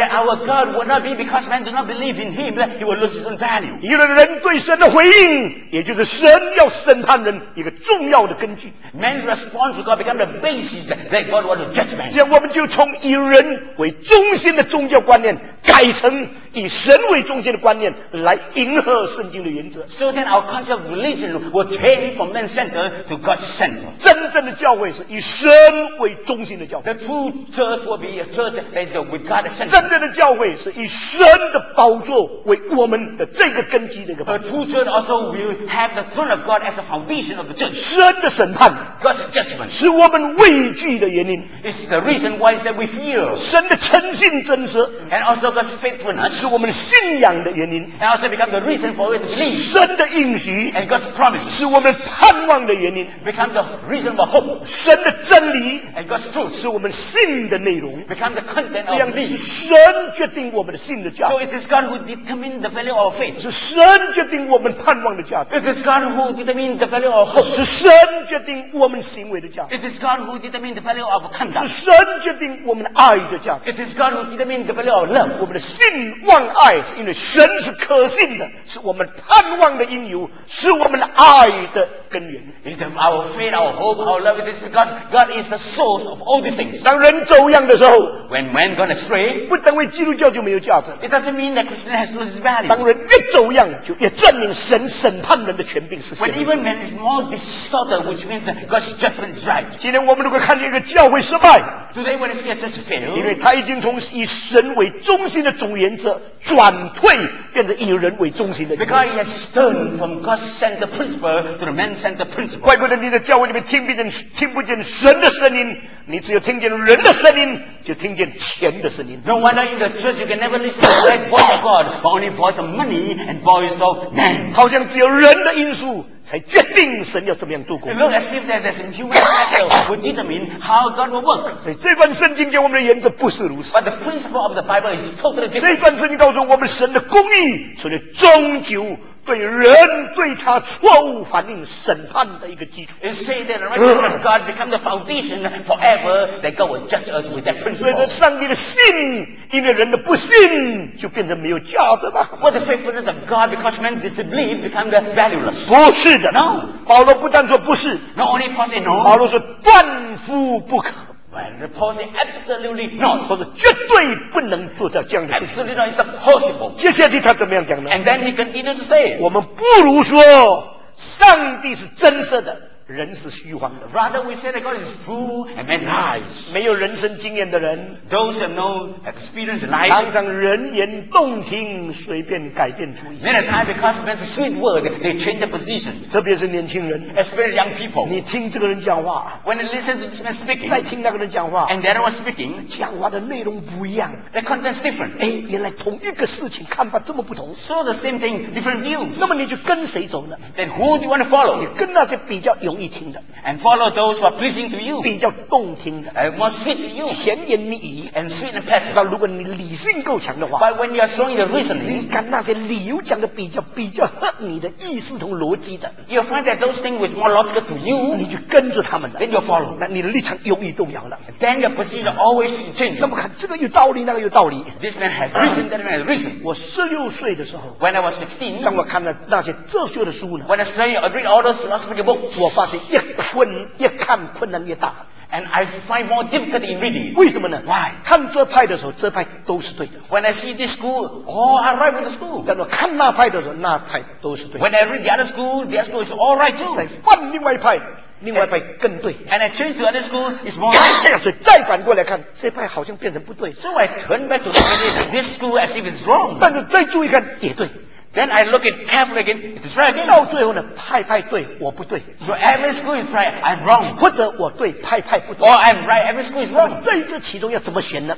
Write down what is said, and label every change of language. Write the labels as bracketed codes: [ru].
[en] That our God will not be because men do not believe in him, that he will lose his own value. [zh] 因为人对神的回应也就是神要审判人一个重要的根据。 [en] Man's response to God becomes the basis that God wants to judge man. [zh] 这样我们就从以人为中心的宗教观念改成以神为中心的观念来迎合圣经的原则。 [en] So then our concept of religion will change from man centered to God centered. [zh] 真正的教会是以神为中心的教会。 [en] The true church will be a church that is with God centered. [zh] 真正的教会是以神的宝座为我们的这个根基的一个宝座。 [en] A true church also will have the throne of God as the foundation of the church. [zh] 神的审判 [en] God's judgment [zh] 是我们畏惧的原因。 [en] It's the reason why is that we fear. [zh] 神的诚信真实 [en] and also God's faithfulness [zh] 是我们信仰的原因。 [en] And also become the reason for it to be. [zh] 神的应许 [en] and God's promise [zh] 是我们盼望的原因。 [en] Become the reason for hope. [zh] 神的真理 [en] and God's truth [zh] 是我们信的内容。 [en] Become the content of [zh] 这样是神决定我们的信的价值。 [en] So it is God who determines the value of faith. [zh] 是神决定我们盼望的价值。 [en] It is God who determines the value of hope. [zh] 是神决定我们行为的价值。 [en] It is God who determines the value of conduct. [zh] 是神决定我们的爱的价值。 [en] It is God who determines the value of love. [zh] 我们的信望爱是因为神是可信的是我们盼望的因由是我们爱的根源 [en] our faith, our hope, our love it is because God is the source of all these things [zh] 当人走样的时候 [en] when man gone astray [zh] 不等为基督教就没有价值 [en] it doesn't mean that Christian has lost its value [zh] 当人越走样就越证明神审判人的权柄是 [en] 神 when even man is more distorted which means that God's judgment is right [zh] 今天我们如果看见一个教会失败 [en] today when it's just failed [zh] 因为他已经从以神为中心的总原则转退变成以人为中心的 [en] 原则 because he has turned from God's center principle to the man-centered principle [zh] 怪不得你的教会里面听不见神的声音你只有听见人的声音就听见钱的声音 [en] no wonder in the church you can never listen to the right voice of God but only voice of money and voice of man [zh] 好像只有人的因素才决定神要怎么样做工 [en] it looks as if there's a human factor would determine how God will work [zh] 对这段圣经给我们的原则不是如此 [en] but the principle of the Bible is totally different [zh] 这段圣经告诉我们神的公义所以终究对人对他错误反应审判的一个基础。 [en] It says that the righteousness of God becomes the foundation forever that God will judge us with that principle. [zh] 所以上帝的信，因为人的不信，就变成没有价值吗 [en] ？What the faithfulness of God because men disbelieve becomes the valueless? [zh] 不是的。 [en] No. [zh] 保罗不但说不是。 [en] Not only possibly no. [zh] 保罗说断乎不可。 [en] Well, the Paul said absolutely not. [zh] 或者绝对不能做到这样的事情。 [en] Absolutely not is impossible. [zh] 接下来他怎么样讲呢 [en] ？And then he continued to say, [zh] 我们不如说上帝是真实的，人是虚幻的。 [en] Rather we say that God is true and man lies. [zh] 没有人生经验的人 [en] ，those have no experience in life, [zh] 常常人言动听，随便改变主意。 [en] Many times because men's sweet word, they change their position. [zh] 特别是年轻人 [en] ，especially young people. [zh] 你听这个人讲话 [en] ，when you listen to this man speaking, [zh] 再听那个人讲话 [en] ，and that one speaking, [zh] 讲话的内容不一样 [en] ，the content's different. [zh] 哎，原来同一个事情看法这么不同 [en] ，so the same thing, different views. [zh] 那么你就跟谁走呢 [en] ？Then who do you want to follow? [zh] 你跟那些比较有意听的 [en] ，and follow those who are pleasing to you， [zh] 比较动听的 [en] ，and more sweet to you， [zh] 甜言蜜语 [en] ，and sweet and pleasant。 [zh] 如果你理性够强的话 [en] ，but when you are strong in reasoning， [zh] 你看那些理由讲的比较合你的意思同逻辑的 [en] ，you find that those things with more logical to you， [zh] 你就跟着他们的 [en] ，then you follow， [zh] 那你的立场永远动摇了 [en] ，then your position always change。 [zh] 那么看这个有道理，那个有道理 [en] ，this man has reason， that man has reason。 [zh] 我16岁的时候 [en] ，when I was 16， [zh] 当我看了那些哲学的书呢 [en] ，when I studied read all those philosophical books， [zh] 我发现。越看困难越大 [en] and I find more difficulty in reading [zh] 为什么呢 [en] why [zh] 看这派的时候这派都是对的 [en] when I see this school all are right with the school [zh] 但我看那派的时候那派都是对的 [en] when I read the other school the other school is all right too [zh] 再换另外一派另外一派更对 [en] and I change to other school is more right [zh] 所以再反过来看这派好像变成不对 [en] so I turn back to this school as if it's wrong [zh] 但是再注意看也对 [en] Then I look at carefully again. It's right again. [zh] 到最后呢，派派对，我不对。 [en] So every school is right, I'm wrong. [zh] 或者我对，派派不对。 [en] Or I'm right, every school is wrong. [zh] 这一次其中要怎么选呢